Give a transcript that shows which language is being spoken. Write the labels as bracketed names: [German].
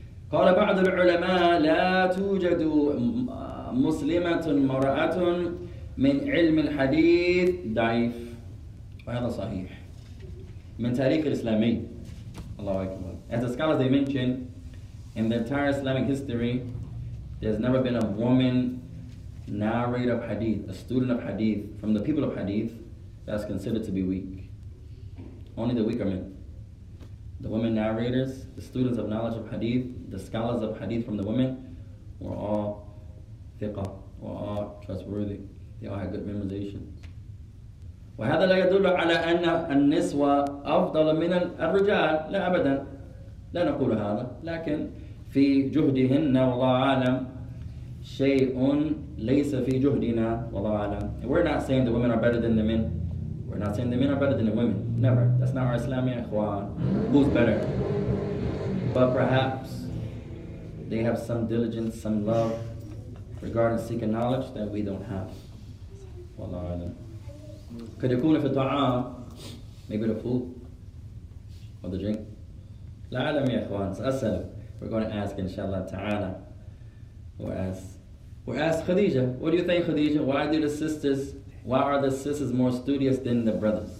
[Arabic] قال بعض العلماء لا توجد مسلمة مرأة من علم الحديث ضعيف. وهذا صحيح. من تاريخ الإسلامي. Allahu Akbar. [English] As the scholars they mentioned, in the entire Islamic history, there's never been a woman narrator of hadith, a student of hadith, from the people of hadith, that's considered to be weak. Only the weaker men. The women narrators, the students of knowledge of hadith, the scholars of hadith from the women, were all thiqah, were all trustworthy. They all had good memorization. [Arabic] وهذا لا يدل على أن النسوة أفضل من الرجال لا أبدا لا نقول هذا لكن في جهدهن والله أعلم شيء ليس في جهدنا والله أعلم. [English] We're not saying the women are better than the men. We're not saying the men are better than the women. Never. That's not our Islamic ikhwan. Who's better? But perhaps they have some diligence, some love regarding seeking knowledge that we don't have. [Arabic] والله أعلم. [English] Could [Arabic] يكون في الطعام [English] maybe the food or the drink [Arabic] لا أعلم يا إخوان سأسأل. [English] We're going to ask inshallah ta'ala we'll ask Khadija. What do you think Khadija? Why are the sisters more studious than the brothers?